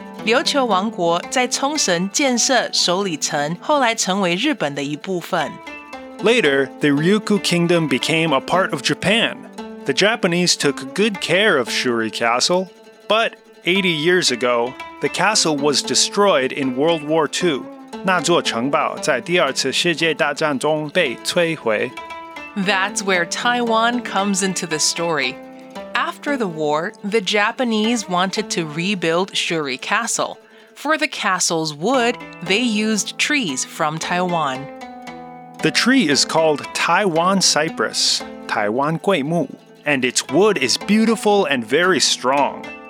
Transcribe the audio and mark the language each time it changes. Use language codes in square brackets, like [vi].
[zh] 琉球王国在冲绳建设首里城，后来成为日本的一部分. [en] Later, the Ryukyu Kingdom became a part of Japan. The Japanese took good care of Shuri Castle. But 80 years ago, the castle was destroyed in World War II. [zh] 那座城堡在第二次世界大战中被摧毁。 [en] That's where Taiwan comes into the story. After the war, the Japanese wanted to rebuild Shuri Castle. For the castle's wood, they used trees from Taiwan. The tree is called Taiwan Cypress, 台湾桂木, and its wood is beautiful and very strong.